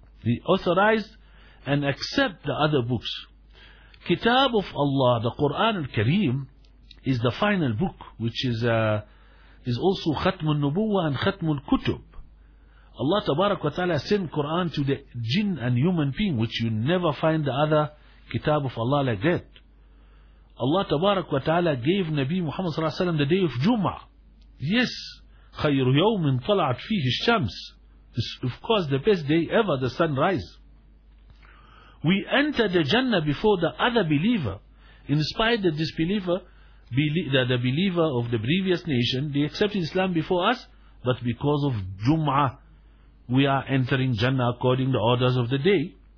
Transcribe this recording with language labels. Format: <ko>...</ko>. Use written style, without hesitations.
<en>He authorized and accept the other books. Kitab of Allah, the Quran al-Kareem, is the final book, which is also Khatmul Nubuwa and Khatmul Kutub. Allah Tabarak wa Ta'ala sent Quran to the jinn and human being, which you never find the other Kitab of Allah like that. Allah Tabarak wa Ta'ala gave Nabi Muhammad Sallallahu Alaihi Wasallam the day of Jum'ah.</en> <ar>Yes, خَيْرُ يَوْمٍ طَلَعَتْ فِيهِ الشَّمْسِ.</ar> <en>It's of course the best day ever, the sunrise. We enter the Jannah before the other believer. In spite of the disbeliever, the believer of the previous nation, they accepted Islam before us, but because of Jum'ah, we are entering Jannah according to the orders of the day.</en>